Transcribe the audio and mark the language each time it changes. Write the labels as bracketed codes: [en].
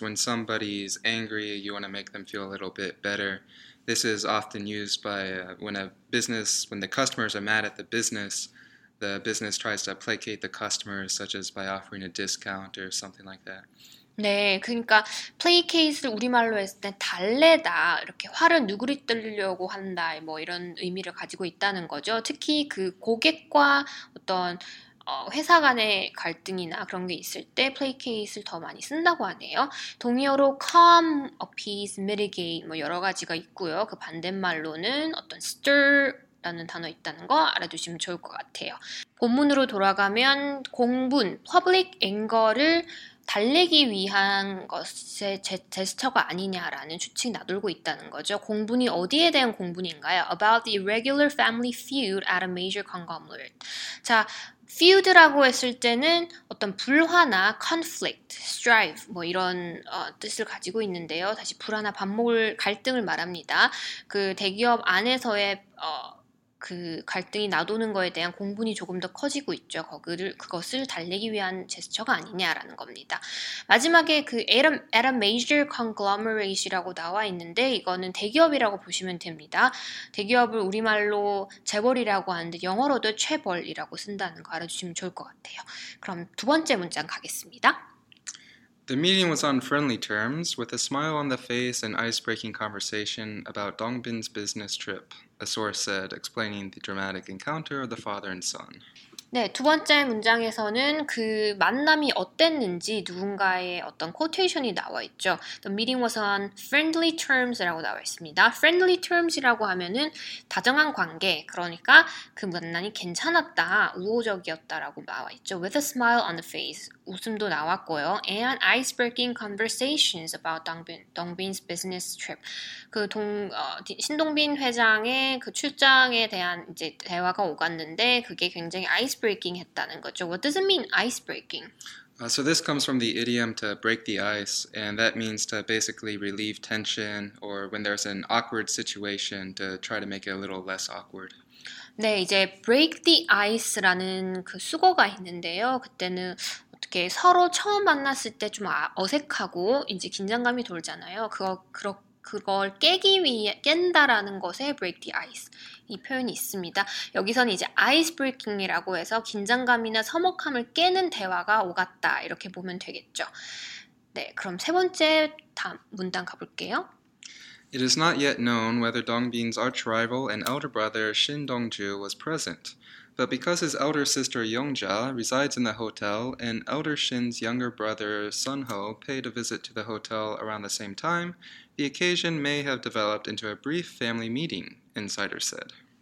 [en] When somebody's angry, you want to make them feel a little bit better. This is often used by when the customers are mad at the business tries to placate the customers, such as by offering a discount or something like that. [ko] 네, 그러니까 placate를 우리말로 했을 때 달래다, 이렇게 화를 누그러뜨리려고 한다, 뭐 이런 의미를 가지고 있다는 거죠. 특히 그 고객과 어떤 회사 간의 갈등이나 그런 게 있을 때 placate을 더 많이 쓴다고 하네요. 동의어로 calm, appease, mitigate 뭐 여러 가지가 있고요. 그 반대말로는 어떤 stir라는 단어 있다는 거 알아두시면 좋을 것 같아요. 본문으로 돌아가면 공분, [en] public anger [ko] 를 달래기 위한 것의 제스처가 아니냐라는 추측이 나돌고 있다는 거죠. 공분이 어디에 대한 공분인가요? [en] About the irregular family feud at a major conglomerate. [ko] 자, feud라고 했을 때는 어떤 불화나 conflict, strife 뭐 이런 뜻을 가지고 있는데요. 다시 불화나 반목을 갈등을 말합니다. 그 대기업 안에서의 그 갈등이 나도는 거에 대한 공분이 조금 더 커지고 있죠. 그것을 달래기 위한 제스처가 아니냐라는 겁니다. 마지막에 그 [en] at a major conglomerate [ko] 이라고 나와 있는데 이거는 대기업이라고 보시면 됩니다. 대기업을 우리말로 재벌이라고 하는데 영어로도 체벌이라고 쓴다는 거 알아주시면 좋을 것 같아요. 그럼 두 번째 문장 가겠습니다. [en] The meeting was on friendly terms, with a smile on the face and ice-breaking conversation about Dongbin's business trip, a source said, explaining the dramatic encounter of the father and son. [ko] 네, 두 번째 문장에서는 그 만남이 어땠는지 누군가의 어떤 quotation이 나와 있죠. [en] The meeting was on friendly terms [ko] 라고 나와 있습니다. Friendly terms이라고 하면은 다정한 관계, 그러니까 그 만남이 괜찮았다, 우호적이었다라고 나와 있죠. [en] With a smile on the face, [ko] 웃음도 나왔고요. [en] And ice-breaking conversations about Dongbin's business trip. [ko] 그 신동빈 회장의 그 출장에 대한 이제 대화가 오갔는데 그게 굉장히 ice-breaking 했다는 거죠. [en] What does it mean, ice-breaking? So this comes from the idiom to break the ice, and that means to basically relieve tension or when there's an awkward situation to try to make it a little less awkward. [ko] 네, 이제 [en] break the ice [ko] 라는 그 수거가 있는데요. 그때는 이렇게 서로 처음 만났을 때 좀 어색하고 이제 긴장감이 돌잖아요. 그걸 깨기 위해 깬다라는 것에 [en] break the ice [ko] 이 표현이 있습니다. 여기서는 이제 ice breaking이라고 해서 긴장감이나 서먹함을 깨는 대화가 오갔다 이렇게 보면 되겠죠. 네, 그럼 세 번째 문단 가볼게요. [en] It is not yet known whether Dongbin's arch rival and elder brother Shin Dongju was present. But because his elder sister Yongja resides in the hotel, and elder Shin's younger brother Sunho paid a visit to the hotel around the same time, the occasion may have developed into a brief family meeting, insider said.